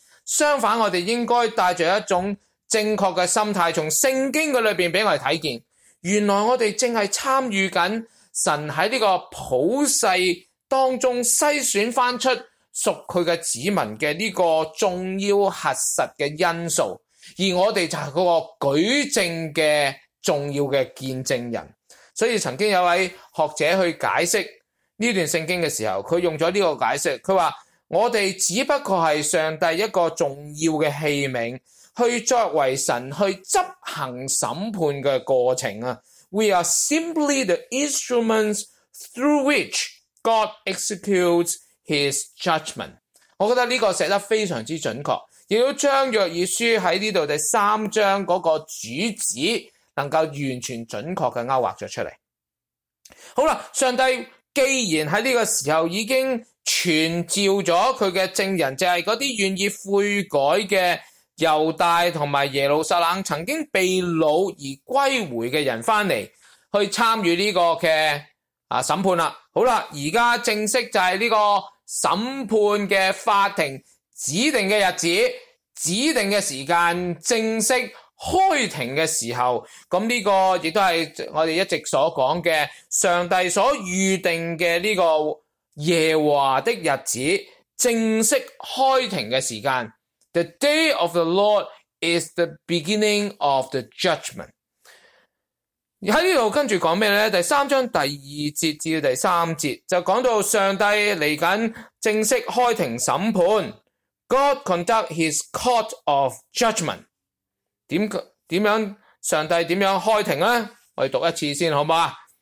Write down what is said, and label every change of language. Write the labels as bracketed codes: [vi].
[zh] 相反，我们应该带着一种正确的心态，从圣经的里面给我们看见，原来我们正在参与着神在这个普世当中筛选翻出属他的子民的这个重要核实的因素，而我们就是那个举证的重要的见证人。所以曾经有位学者去解释这段圣经的时候，他用了这个解释，他说我们只不过是上帝一个重要的器皿，去作为神去执行审判的过程。 [en] We are simply the instruments through which God executes His judgment. [zh] 我觉得这个写得非常之准确，也要将约珥书在这里第三章那个主旨能够完全准确地勾画了出来。好了，上帝既然在这个时候已经传召了他的证人，就是那些愿意悔改的犹大和耶路撒冷曾经被掳而归回的人回来去参与这个的审判了。好了，现在正式就是这个审判的法庭指定的日子、指定的时间正式开庭的时候，那这个也都是我们一直所讲的上帝所预定的这个耶和华的日子正式开庭的时间。 [en] The day of the Lord is the beginning of the judgment. [zh] 在这里跟着讲什么呢？第三章第二节至第三节就讲到上帝来紧正式开庭审判。 [en] God conduct his court of judgment. [zh] 怎样上帝怎样开庭呢？我们读一次先好吗？